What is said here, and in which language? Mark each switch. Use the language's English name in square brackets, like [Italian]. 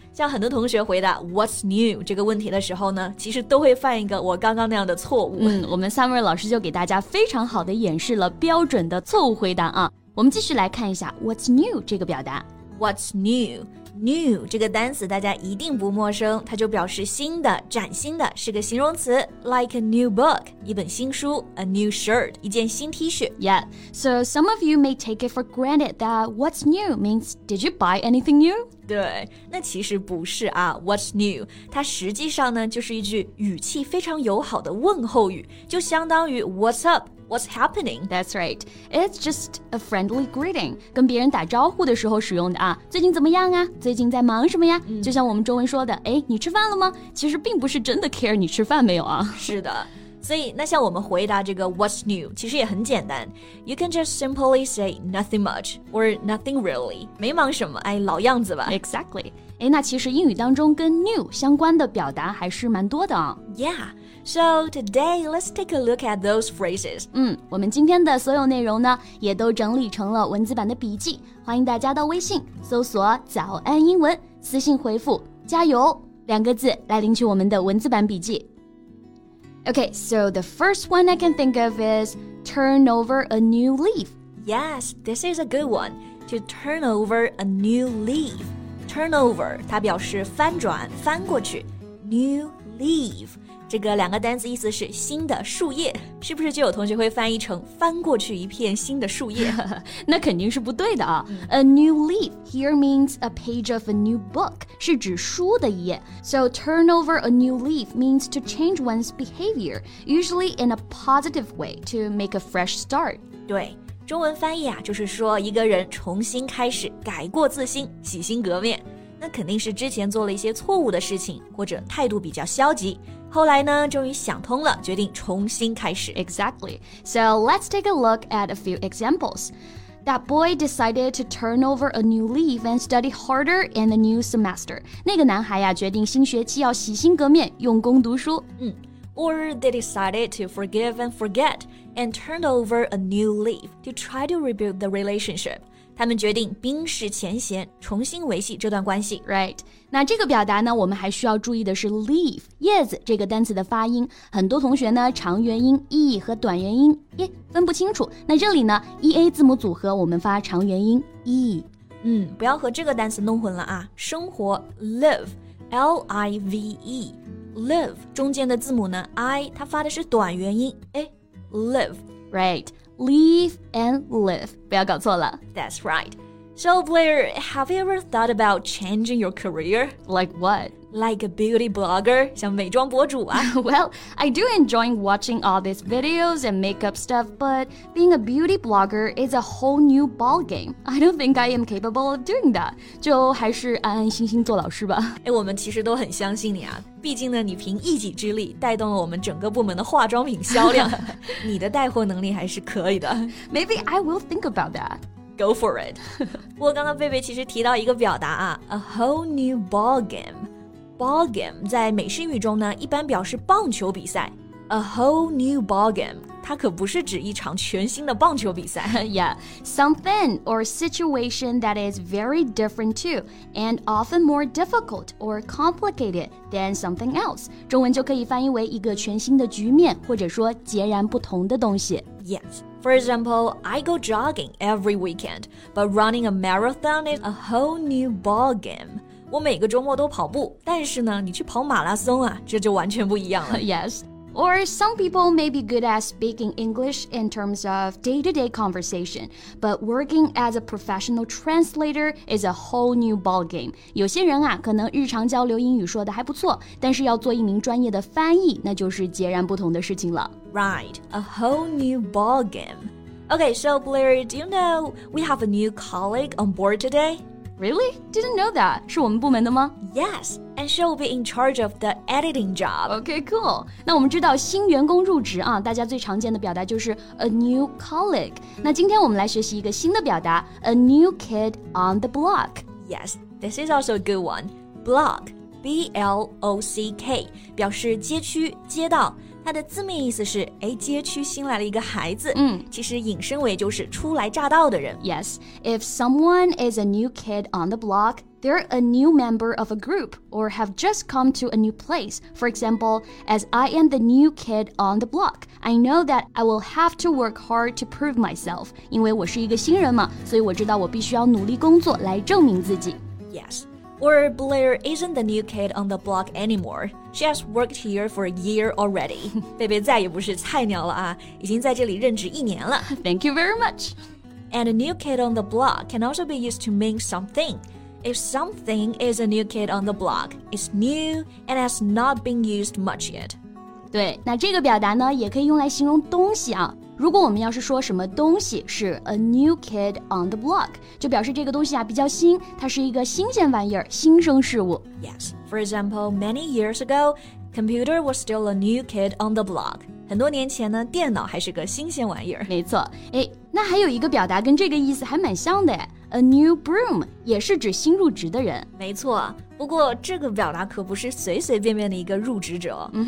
[Chinese] 像很多同学回答 what's new 这个问题的时候呢，其实都会犯一个我刚刚那样的错误。嗯，我们 Summer 老师就给大家非常好的演示了标准的错误回答啊。我们继续来看一下 what's new 这个表达。 [English] What's new? [Chinese] New 这个单词大家一定不陌生，它就表示新的、崭新的，是个形容词。 [English] Like a new book, [Chinese] 一本新书。 [English] A new shirt, [Chinese] 一件新 T 恤。 [English] Yeah, so some of you may take it for granted that what's new means did you buy anything new? [Chinese] 对，那其实不是啊 [English] What's new? [Chinese] 它实际上呢就是一句语气非常友好的问候语，就相当于 [English] What's up? What's happening? That's right. It's just a friendly greeting. [Chinese] 跟别人打招呼的时候使用的啊。最近怎么样啊？最近在忙什么呀？就像我们中文说的，哎，你吃饭了吗？其实并不是真的 care 你吃饭没有啊。是的。所以那像我们回答这个 what's new 其实也很简单 [English] You can just simply say nothing much or nothing really [Chinese] 没忙什么哎，老样子吧 Exactly 哎，那其实英语当中跟 new 相关的表达还是蛮多的、哦、 [English] Yeah So today let's take a look at those phrases [Chinese] 嗯，我们今天的所有内容呢也都整理成了文字版的笔记欢迎大家到微信搜索早安英文私信回复加油两个字来领取我们的文字版笔记 [English] Okay, so the first one I can think of is turn over a new leaf. Yes, this is a good one. To turn over a new leaf. [Chinese] Turn over, 它表示翻转、翻过去。New leaf, 这个两个单词意思是新的树叶。是不是就有同学会翻译成翻过去一片新的树叶？那肯定是不对的啊。 [English] A new leaf here means a page of a new book. [Chinese] 是指书的一页 [English] So turn over a new leaf means to change one's behavior, usually in a positive way to make a fresh start. [Chinese] 对，中文翻译啊，就是说一个人重新开始，改过自新，洗心革面。那肯定是之前做了一些错误的事情，或者态度比较消极。后来呢，终于想通了，决定重新开始。 [English] Exactly. So let's take a look at a few examples. That boy decided to turn over a new leaf and study harder in the new semester. [Chinese] 那个男孩呀、啊、决定新学期要洗心革面用功读书。 [English] Or they decided to forgive and forget and turn over a new leaf to try to rebuild the relationship. [Chinese] 他们决定冰释前嫌重新维系这段关系。 [English] Right. [Chinese] 那这个表达呢我们还需要注意的是 leaf, 叶子这个单词的发音。很多同学呢长元音 e 和短元音。耶分不清楚那这里呢 EA 字母组合我们发长元音 E 不要和这个单词弄混了啊生活 Live L-I-V-E Live 中间的字母呢 I 它发的是短元音 Live [English] Right Leave and live [Chinese] 不要搞错了 [English] That's right So Blair Have you ever thought about changing your career? Like what Like a beauty blogger, [Chinese] 像美妆博主啊。 [English] Well, I do enjoy watching all these videos and makeup stuff, but being a beauty blogger is a whole new ballgame. I don't think I am capable of doing that. [Chinese] 就还是安安心心做老师吧。哎，我们其实都很相信你啊。毕竟呢，你凭一己之力带动了我们整个部门的化妆品销量。你的带货能力还是可以的。 [English] Maybe I will think about that. Go for it. [Chinese] 不过刚刚贝贝其实提到一个表达啊 , [English] a whole new ball game. [Chinese] Ball game 在美式英语中呢一般表示棒球比赛。 [English] A whole new ball game. [Chinese] 它可不是指一场全新的棒球比赛。 [English] Yeah, something or situation that is very different too, and often more difficult or complicated than something else. [Chinese] 中文就可以翻译为一个全新的局面，或者说截然不同的东西。 [English] Yes, for example, I go jogging every weekend, but running a marathon is a whole new ball game. [Chinese] 我每个周末都跑步，但是呢，你去跑马拉松啊，这就完全不一样了。 [English] Yes. Or some people may be good at speaking English in terms of day-to-day conversation, but working as a professional translator is a whole new ball game. [Chinese] 有些人啊，可能日常交流英语说的还不错，但是要做一名专业的翻译，那就是截然不同的事情了。 [English] Right. A whole new ball game. Okay, so Blair, do you know we have a new colleague on board today? Really? Didn't know that. [Chinese] 是我们部门的吗? [English] Yes, and she'll be in charge of the editing job. Okay, cool. [Chinese] 那我们知道新员工入职啊，大家最常见的表达就是 [English] a new colleague. [Chinese] 那今天我们来学习一个新的表达 [English] a new kid on the block. Yes, this is also a good one. [Chinese] Block, B-L-O-C-K, 表示街区、街道。它的字面意思是街区新来了一个孩子、其实引申为就是初来乍到的人 [English] Yes, if someone is a new kid on the block, they're a new member of a group or have just come to a new place. For example, as I am the new kid on the block, I know that I will have to work hard to prove myself. [Chinese] 因为我是一个新人嘛，所以我知道我必须要努力工作来证明自己 [English] Yes. Or Blair isn't the new kid on the block anymore. She has worked here for a year already. [Chinese] 贝贝再也不是菜鸟了啊，已经在这里任职一年了。 [English] Thank you very much. And a new kid on the block can also be used to mean something. If something is a new kid on the block, it's new and has not been used much yet. [Chinese] 对，那这个表达呢，也可以用来形容东西啊。如果我们要是说什么东西是 [English] a new kid on the block, [Chinese] 就表示这个东西啊比较新，它是一个新鲜玩意儿，新生事物。 [English] Yes, for example, many years ago, computer was still a new kid on the block. [Chinese] 很多年前呢，电脑还是个新鲜玩意儿。没错，哎，那还有一个表达跟这个意思还蛮像的，哎， [English] a new broom [Chinese] 也是指新入职的人。没错，不过这个表达可不是随随便便的一个入职者。